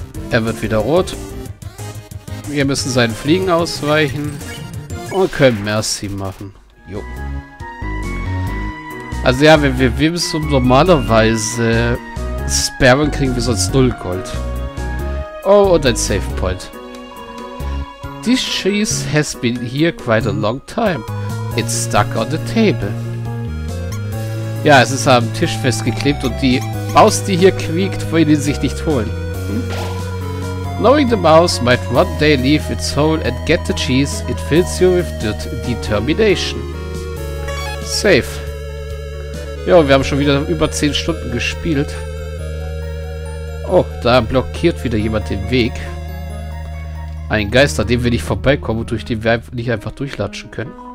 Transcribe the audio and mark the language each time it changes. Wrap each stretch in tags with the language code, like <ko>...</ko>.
<de>Er wird wieder rot. Wir müssen seinen Fliegen ausweichen und können Merci machen. Jo. Also ja, wenn wir Wimsum normalerweise sperren, kriegen wir sonst 0 Gold. Oh, und ein Save Point.</de> <en>This cheese has been here quite a long time. It's stuck on the table.</en> <de>Ja, es ist am Tisch festgeklebt und die Maus, die hier quiekt, will ihn sich nicht holen.</de> <en>Knowing the mouse might one day leave its hole and get the cheese, it fills you with determination. Safe.</en> <de>Ja, wir haben schon wieder über 10 Stunden gespielt. Oh, da blockiert wieder jemand den Weg. Ein Geist, an dem wir nicht vorbeikommen und durch den wir nicht einfach durchlatschen können.</de>